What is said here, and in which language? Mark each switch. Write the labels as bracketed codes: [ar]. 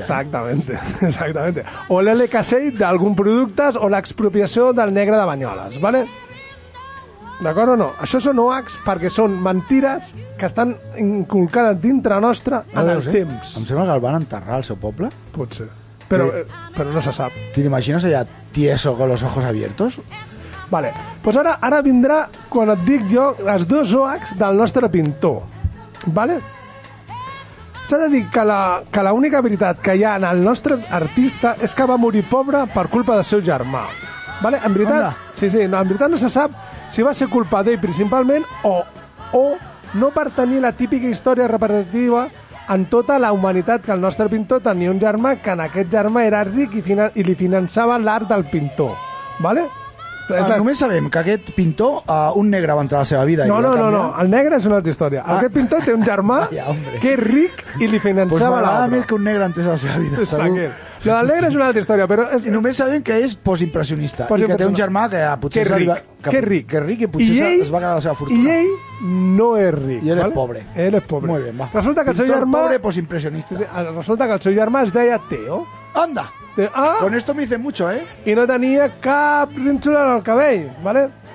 [es] Exactamente, eh? Exactamente. [ca] O l'LKC d'algun producte o l'expropiació del negre de Banyoles, vale? D'acord o no? Això són oacs perquè són mentires que estan inculcades dintre nostre en el temps. Em sembla que el van enterrar al seu poble. Potser, però no se sap. [es] T'imagines allà tieso con los ojos abiertos? [ca] Vale, pues ara vindrà quan et dic jo els dos oacs del nostre pintor. Vale? S'ha de dir que l'única veritat que hi ha en el nostre artista és que va morir pobre per culpa del seu germà. Vale? En veritat, en veritat no se sap si va ser culpa d'ell principalment o no per tenir la típica història repetitiva en tota la humanitat que el nostre pintor tenia un germà que en aquest germà era ric i li finançava l'art del pintor. Vale? Només sabem que aquest pintor, un negre va entrar a la seva vida. No, el negre és una altra història. Aquest pintor té un germà que és ric i li finançava l'art. Pues m'agrada més que un negre entrés a la seva vida. No, el negre és una altra història, però... I només sabem que és postimpressionista i que té un germà que potser... Que és ric i potser es va quedar la seva fortuna. I ell no és ric. I ell és pobre. Ell és pobre. Molt bé, va. Resulta que el seu germà... Pintor pobre postimpressionista. Resulta que el seu germà es deia Teo. [es] Anda! Con esto me dice mucho, eh? [ca] I no tenia cap rinxula en el cabell, ¿vale?